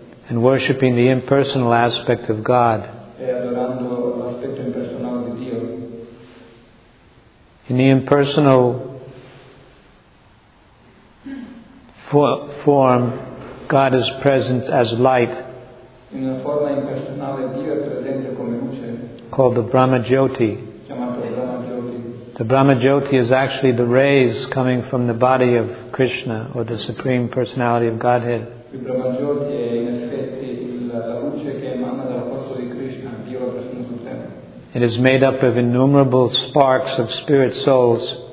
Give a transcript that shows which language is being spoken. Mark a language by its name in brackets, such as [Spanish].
[English] And worshipping the impersonal aspect of God. [Italian] E adorando l'aspetto impersonale di Dio. [English] In the impersonal form, God is present as light. [Italian] In una forma impersonale, Dio è presente come luce. [English] Called the Brahma Jyoti. [Italian] Chiamato Brahma Jyoti. [English] The Brahma Jyoti is actually the rays coming from the body of Krishna, or the Supreme Personality of Godhead. [Italian] Il Brahma Jyoti è in effetti la luce che emana dal corpo di Krishna, Dio la persona suprema. [English] It is made up of innumerable sparks of spirit souls.